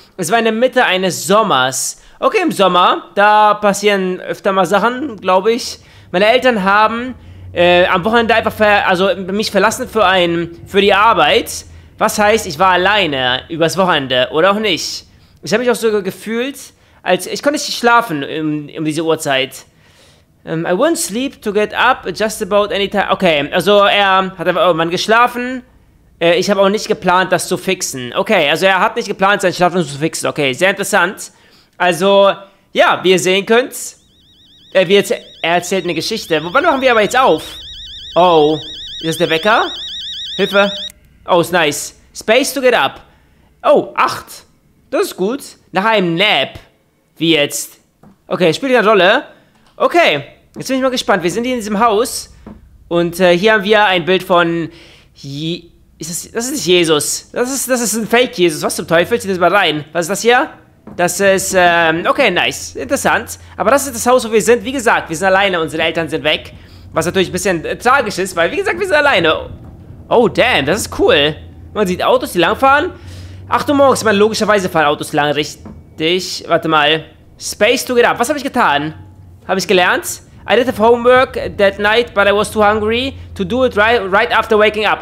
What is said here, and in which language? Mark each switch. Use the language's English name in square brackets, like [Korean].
[German] Es war in der Mitte eines Sommers. Okay, im Sommer. Da passieren öfter mal Sachen, glaube ich. Meine Eltern haben am Wochenende einfach mich verlassen für die Arbeit. Was heißt, ich war alleine übers Wochenende, oder auch nicht? Ich habe mich auch sogar gefühlt, als ich konnte nicht schlafen um diese Uhrzeit. [English] I won't sleep to get up just about any time. [German] Okay, also er hat einfach irgendwann geschlafen. Ich habe auch nicht geplant, das zu fixen. Okay, also er hat nicht geplant, sein Schlafen zu fixen. Okay, sehr interessant. Also, ja, wie ihr sehen könnt, er erzählt eine Geschichte. Wann machen wir aber jetzt auf? Oh, ist das der Wecker? Hilfe. Oh, ist nice. [English] Space to get up. [German] Oh, 8. Das ist gut. Nach einem Nap. Wie jetzt? Okay, spielt keine Rolle. Okay, jetzt bin ich mal gespannt. Wir sind hier in diesem Haus. Und hier haben wir ein Bild von... Das ist Jesus. Das ist ein Fake-Jesus. Was zum Teufel? Zieh das mal rein. Was ist das hier? Das ist... okay, nice. Interessant. Aber das ist das Haus, wo wir sind. Wie gesagt, wir sind alleine. Unsere Eltern sind weg. Was natürlich ein bisschen tragisch ist, weil wie gesagt, wir sind alleine. Oh, damn, das ist cool. Man sieht Autos, die langfahren. 8 Uhr morgens, man, logischerweise fahren Autos lang, richtig. Warte mal. [English] Space to get up. [German] Was habe ich getan? Habe ich gelernt? [English] I did have homework that night, but I was too hungry to do it right after waking up.